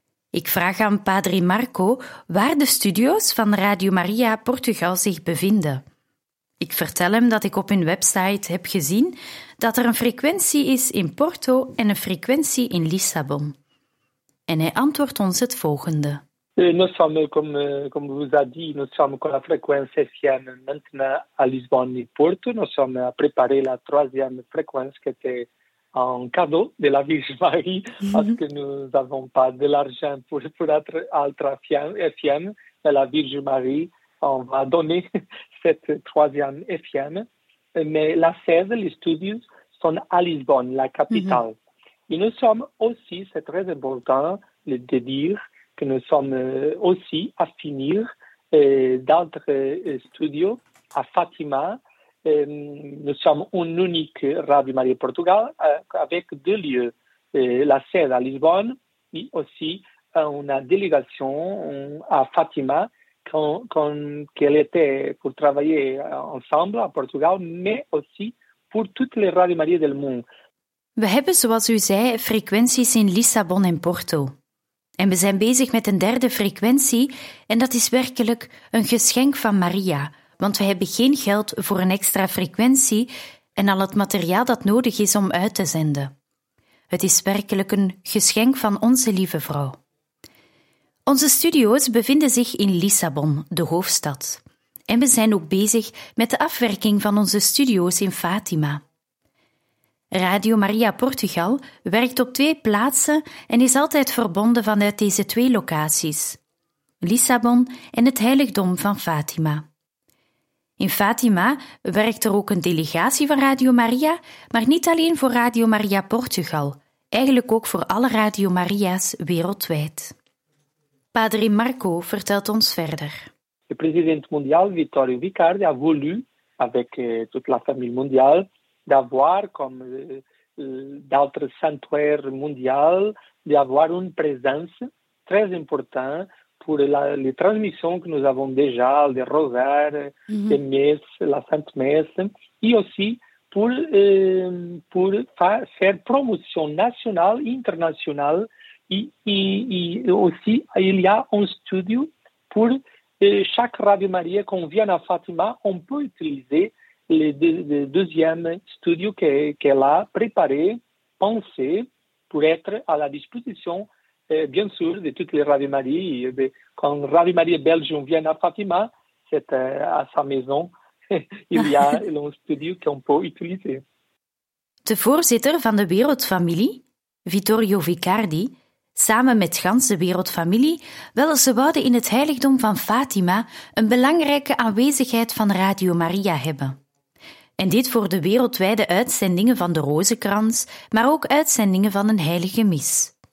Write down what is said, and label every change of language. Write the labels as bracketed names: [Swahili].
[Dutch] Ik vraag aan Padre Marco waar de studio's van Radio Maria Portugal zich bevinden. Ik vertel hem dat ik op hun website heb gezien dat er een frequentie is in Porto en een frequentie in Lissabon. En hij antwoordt ons het volgende. [French] Nous sommes, comme vous avez dit, nous sommes avec la fréquence FM maintenant à Lisbonne et Porto. Nous sommes à préparer la troisième fréquence qui était un cadeau de la Vierge Marie parce que nous n'avons pas de l'argent pour être autre FM. Mais la Vierge Marie, on va donner cette troisième FM. Mais la sede, les studios, sont à Lisbonne, la capitale. Et nous sommes aussi, c'est très important de dire, que nous sommes aussi à finir d'autres studios à Fatima. Nous sommes une unique Radio Maria Portugal avec deux lieux, la sede à Lisbonne et aussi une délégation à Fatima qu'elle était pour travailler ensemble à Portugal, mais aussi [Dutch] voor [French] toutes les Radio Maria del monde. [Dutch] We hebben, zoals u zei, frequenties in Lissabon en Porto. En we zijn bezig met een derde frequentie en dat is werkelijk een geschenk van Maria, want we hebben geen geld voor een extra frequentie en al het materiaal dat nodig is om uit te zenden. Het is werkelijk een geschenk van onze lieve vrouw. Onze studio's bevinden zich in Lissabon, de hoofdstad. En we zijn ook bezig met de afwerking van onze studio's in Fatima. Radio Maria Portugal werkt op twee plaatsen en is altijd verbonden vanuit deze twee locaties. Lissabon en het heiligdom van Fatima. In Fatima werkt er ook een delegatie van Radio Maria, maar niet alleen voor Radio Maria Portugal, eigenlijk ook voor alle Radio Maria's wereldwijd. Padre Marco vertelt ons verder. De president mondiaal [French] Vittorio Vicardi ha voulu avec toute la famille mondiale d'avoir comme d'autres sanctuaires mondiaux d'avoir une présence très importante pour la les transmissions que nous avons déjà de rosaire, de messe, la sainte messe et aussi pour faire promotion nationale internationale. Et aussi, il y a un studio pour chaque Radio Maria qu'on vient à Fatima, on peut utiliser le deuxième studio qu'elle a préparé, pensé, pour être à la disposition, bien sûr, de toutes les Radio Maria. Quand Radio Maria Belge vient à Fatima, c'est à sa maison, il y a un studio qu'on peut utiliser. [Dutch] De voorzitter van de Wereldfamilie, Vittorio Vicardi, samen met gans de wereldfamilie, wel ze wouden in het heiligdom van Fatima een belangrijke aanwezigheid van Radio Maria hebben. En dit voor de wereldwijde uitzendingen van de Rozenkrans, maar ook uitzendingen van een heilige mis.